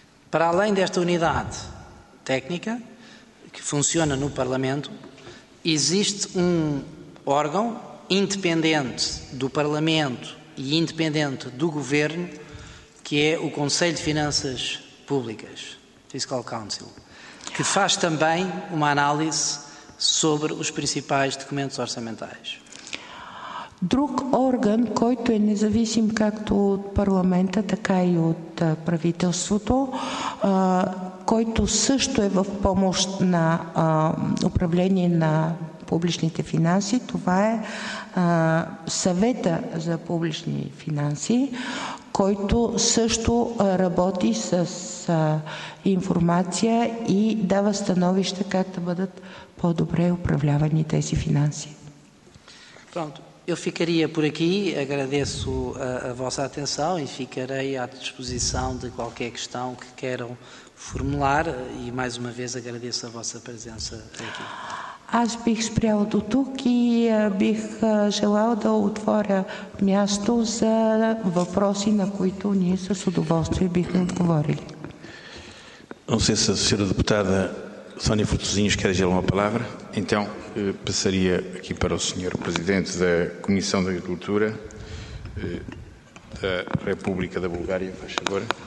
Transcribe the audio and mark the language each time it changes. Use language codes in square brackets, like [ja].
[pt] Para além desta unidade técnica, que funciona no Parlamento, existe um órgão independente do Parlamento e independente do Governo, que é o Conselho de Finanças Públicas, Fiscal Council, que faz também uma análise sobre os principais documentos orçamentais. [bg] Друг орган, който е независим както от парламента, така и от правителството, който също е в помощ на управление на публичните финанси, това е съвета за публични финанси, който също работи с информация и дава становища как да бъдат по-добре управлявани тези финанси. [pt] Pronto. Eu ficaria por aqui, agradeço a vossa atenção e ficarei à disposição de qualquer questão que queiram formular e mais uma vez agradeço a vossa presença aqui. [bg] Аз бих спряла до тук и бих желала да отворя място за въпроси, на които ние с удоволствие бихме отговорили. [pt] Não sei se a senhora deputada Sónia Frutuzinhos quer dizer uma palavra. Então, passaria aqui para o senhor presidente da Comissão de Agricultura da República da Bulgária, faz favor.